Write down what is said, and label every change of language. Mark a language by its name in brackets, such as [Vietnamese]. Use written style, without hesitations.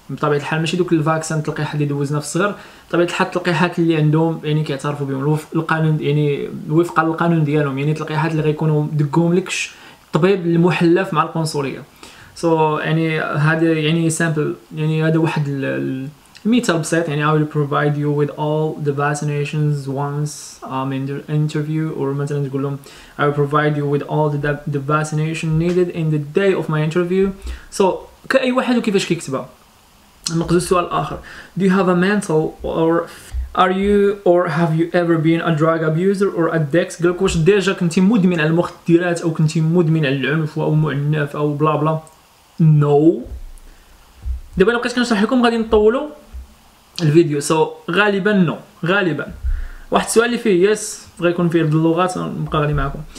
[Arabic] بطبيعه الحال ماشي دوك الفاكسان تلقيح اللي دوزنا في الصغر، بطبيعه الحال التلقيحات اللي عندهم يعني كيعترفوا بهم القانون، يعني وفقا للقانون ديالهم، يعني التلقيحات اللي غيكونوا دقوهم لك الطبيب المحلف مع القنصليه. سو يعني هذا يعني سامبل، يعني هذا واحد [English] meet up set, and I will provide you with all the vaccinations once I'm in the interview. Or I will provide you with all the vaccination needed in the day of my interview. So [Arabic] كأي واحد وكيفاش كيكتبها. المقصود السؤال الآخر. [English] Do you have a mental or are you or have you ever been a drug abuser or addict? [Arabic] قالك واش ديجا كنتي مدمن على المخدرات أو كنتي مدمن على العنف أو معنف أو بلا بلا. [English] No. [Arabic] دابا لو كنت كنشرح لكم غادي نطولوا الفيديو. [English] So [Arabic] غالبا no. غالبا. واحد السؤال اللي فيه [English] yes [Arabic] غيكون فيه باللغات نبقى غادي معكم.